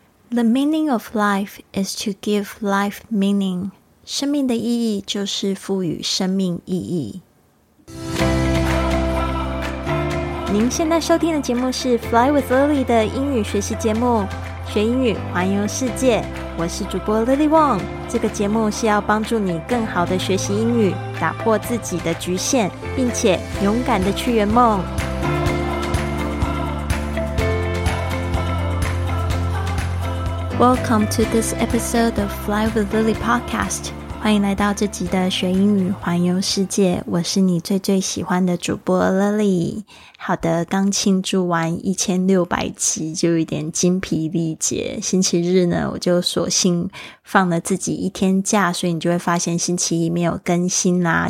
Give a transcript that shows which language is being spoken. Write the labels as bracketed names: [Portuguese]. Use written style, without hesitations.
[English] The meaning of life is to give life meaning. [Chinese] 生命的意义就是赋予生命意义。您现在收听的节目是 Fly with Lily 的英语学习节目，学英语环游世界。我是主播 Lily Wong。这个节目是要帮助你更好的学习英语，打破自己的局限，并且勇敢的去圆梦。 [English] Welcome to this episode of Fly with Lily podcast. [Chinese] 欢迎来到这集的学英语环游世界。我是你最最喜欢的主播 Lily。好的，刚庆祝完1600集，就有点精疲力竭。星期日呢，我就索性放了自己一天假，所以你就会发现星期一没有更新啦。